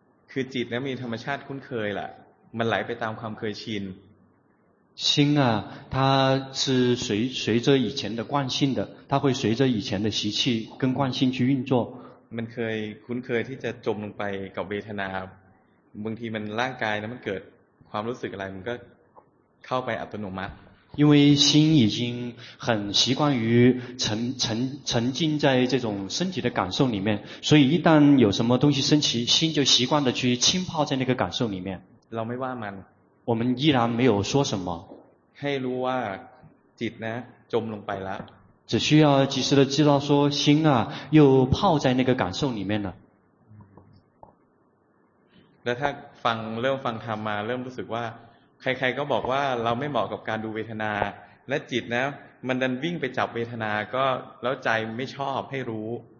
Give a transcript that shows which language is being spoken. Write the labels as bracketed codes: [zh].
[th] คือจิตนะมีธรรมชาติคุ้นเคยแหละมันไหลไปตามความเคยชิน [zh] 心啊它是随着以前的惯性的它会随着以前的习气跟惯性去运作 [th] มันเคยคุ้นเคยที่จะจมลงไปกับเวทนาบางทีมันร่างกายนะมันเกิดความรู้สึกอะไรมันก็เข้าไปอัตโนมัติ [zh] 因为心已经很习惯于沉浸在这种身体的感受里面所以一旦有什么东西升起心就习惯的去浸泡在那个感受里面 [th] เราไม่ว่ามัน [zh] 我们依然没有说什么 [th] ให้รู้ว่าจิตนะจมลงไปแล้ว [zh] 只需要及时的知道说心啊又泡在那个感受里面了 [th] แล้วถ้าฟังเริ่มฟังธรรมมาเริ่มรู้สึกว่าใครๆก็บอกว่าเราไม่เหมาะกับการดูเวทนาและจิตนะมันดันวิ่งไปจับเวทนาก็แล้วใจไม่ชอบให้รู้